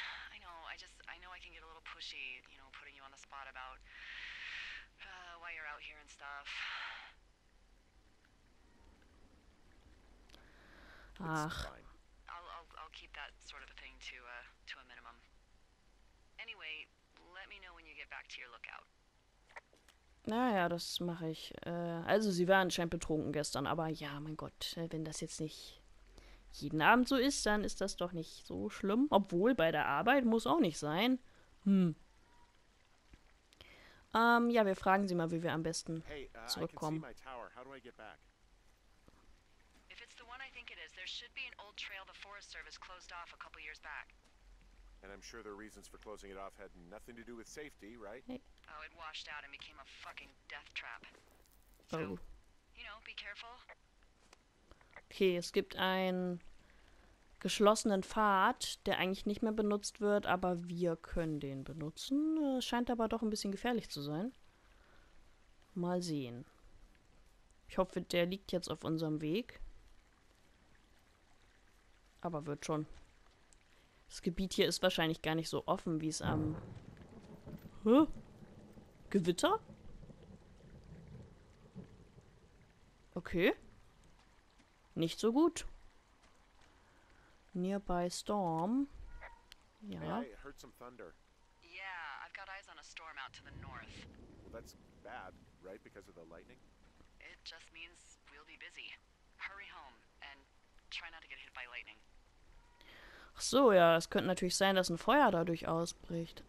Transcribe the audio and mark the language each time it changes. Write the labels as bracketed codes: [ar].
[en] I know I can get a little pushy, you know, putting you on the spot about why you're out here and stuff. It's Ach. fine. I'll keep that sort of a thing to a minimum. Anyway, let me know when you get back to your lookout. [de] Naja, das mache ich. Also, sie waren anscheinend betrunken gestern, aber ja, mein Gott, wenn das jetzt nicht jeden Abend so ist, dann ist das doch nicht so schlimm. Obwohl, bei der Arbeit muss auch nicht sein. Ja, wir fragen sie mal, wie wir am besten [en] Hey, I can see [de] zurückkommen. [en] my tower. How do I get back? If it's the one I think it is, there should be an old trail the Forest Service closed off a couple years back. And I'm sure their reasons for closing it off had nothing to do with safety, right? Hey. Oh, it washed out and became a fucking death trap. Oh. So, you know, be careful. [de] Okay, es gibt einen geschlossenen Pfad, der eigentlich nicht mehr benutzt wird, aber wir können den benutzen. Es scheint aber doch ein bisschen gefährlich zu sein. Mal sehen. Ich hoffe, der liegt jetzt auf unserem Weg. Aber wird schon. Das Gebiet hier ist wahrscheinlich gar nicht so offen, wie es am. Gewitter? Okay. Nicht so gut. Nearby Storm. Ja. [en] Hey, I heard some thunder. Yeah, I've got eyes on a storm out to the north. Well, that's bad, right? Because of the lightning? It just means we'll be busy. Hurry home and try not to get hit by lightning. [de] Ach so, ja, es könnte natürlich sein, dass ein Feuer dadurch ausbricht.